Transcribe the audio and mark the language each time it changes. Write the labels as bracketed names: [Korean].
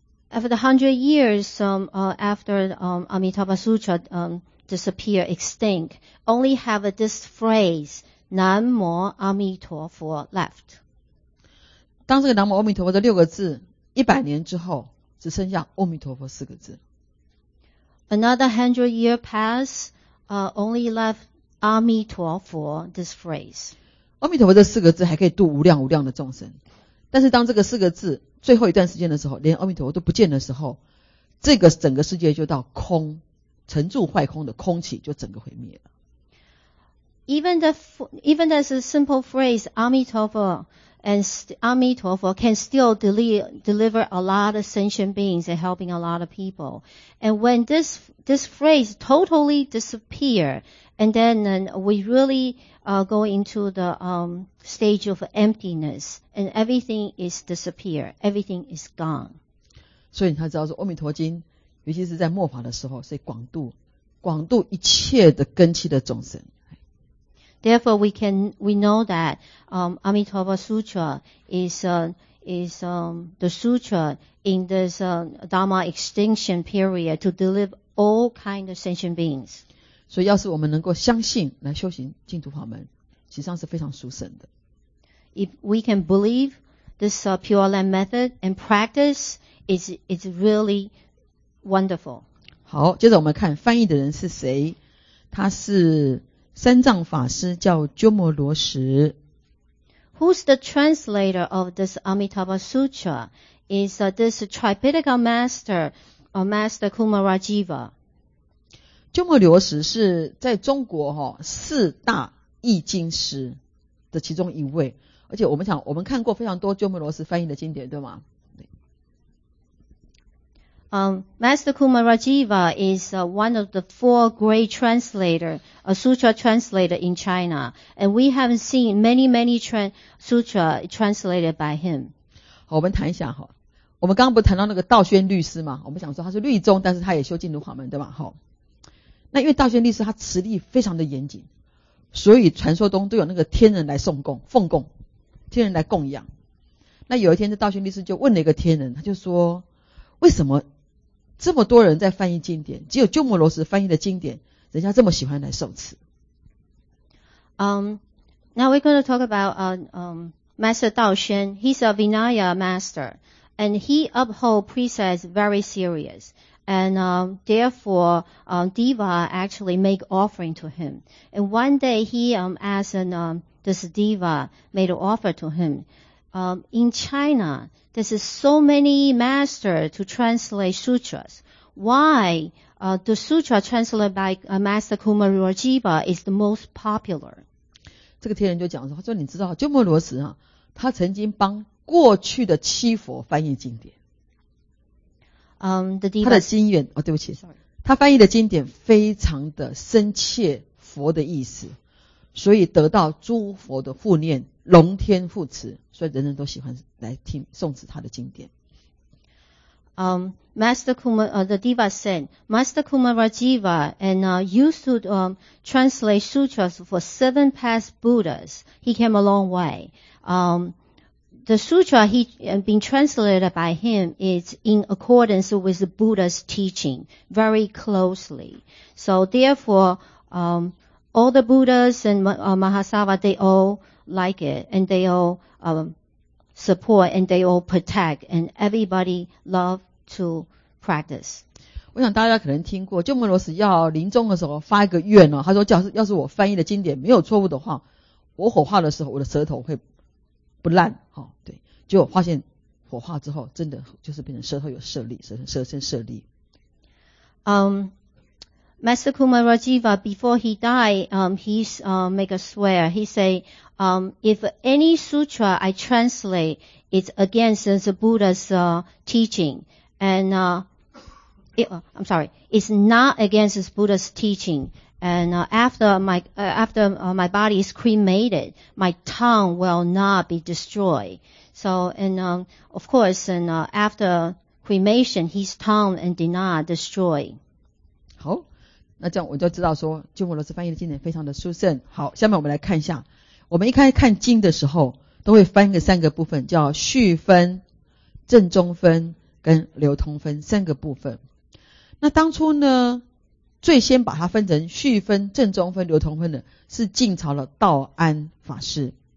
[English] After the 100 years, Amitabha Sutra disappear, extinct, only have this phrase, [Chinese] 南无阿弥陀佛 [English] left. [Chinese] 当这个南无阿弥陀佛这六个字一百年之后，只剩下阿弥陀佛四个字。 [English] Another 100 year pass, only left 阿弥陀佛 this phrase. [Chinese] 阿弥陀佛这四个字还可以度无量无量的众生。但是当这个四个字最后一段时间的时候，连阿弥陀佛都不见的时候，这个整个世界就到空，成住坏空的空气就整个毁灭了。 [English] Even that's a simple phrase, 阿弥陀佛 and 阿弥陀佛 can still deliver a lot of sentient beings and helping a lot of people. And when this phrase totally disappear, and then we really go into the stage of emptiness, and everything is disappear, everything is gone. [Chinese] 所以他知道说阿弥陀经尤其是在末法的时候，所以广度一切的根器的众生。 [English] Therefore, we know that Amitabha Sutra is the sutra in this Dharma extinction period to deliver all kinds of sentient beings. [Chinese] 所以要是我们能够相信来修行净土法门，其实上是非常殊胜的。 [English] If we can believe this Pure Land method and practice, it's really wonderful. [Chinese] 好，接着我们看翻译的人是谁，他是三藏法师叫鸠摩罗什。 [English] Who's the translator of this Amitabha Sutra? Is this Tripitaka master, Master Kumarajiva? [Chinese] 鸠摩罗什是在中国四大译经师的其中一位，而且我们看过非常多鸠摩罗什翻译的经典，对吗？ [English] Master Kumarajiva is one of the four great translators, a sutra translator in China. And we have seen many, many sutra translated by him. [Chinese] 好，我们谈一下齁。我们刚刚不谈到那个道宣律师嘛，我们想说他是律宗，但是他也修净土法门，对吧齁。那因为道宣律师他持力非常的严谨，所以传说中都有那个天人来送供、奉供，天人来供养。那有一天这道宣律师就问了一个天人，他就说为什么这么多人在翻译经典，只有鸠摩罗什翻译的经典，人家这么喜欢来受持。 [English] Now we're going to talk about Master Dao Xuan. He's a Vinaya master, and he uphold precepts very serious. And therefore, Deva actually make offering to him. And one day, he asked this Deva made an offer to him. In China, there's so many masters to translate sutras. Why the sutra translated by Master Kumarajiva is the most popular? [Chinese] 这个天人就讲说，他说你知道鸠摩罗什啊，他曾经帮过去的七佛翻译经典。他的心愿哦，对不起，他翻译的经典非常的深切佛的意思，所以得到诸佛的护念，龙天护持，所以人人都喜欢来听诵持他的经典。 [English] Master Kumar, the Deva said, Master Kumarajiva and used to translate sutras for seven past Buddhas. He came a long way. The sutra he been translated by him is in accordance with the Buddha's teaching very closely. So therefore, all the Buddhas and Mahasava, they all like it and they all support and they all protect and everybody love to practice. [Chinese] 我想大家可能听过鸠摩罗什要临终的时候发一个愿哦，他说要是我翻译的经典没有错误的话，我火化的时候我的舌头会不烂哦，对，结果发现火化之后真的就是变成舌头有舍利，舌身舍利。 [English] Master Kumarajiva, before he died, make a swear. He say, if any sutra I translate is against the Buddha's teaching, it's not against the Buddha's teaching, and after my body is cremated, my tongue will not be destroyed. So, and of course, and after cremation, his tongue and did not destroy. [Chinese] 好。那这样我就知道说鸠摩罗什翻译的经典非常的殊胜。好，下面我们来看一下，我们一开始看经的时候都会翻个三个部分，叫序分、正中分跟流通分三个部分。那当初呢最先把它分成序分、正中分、流通分的是晋朝的道安法师。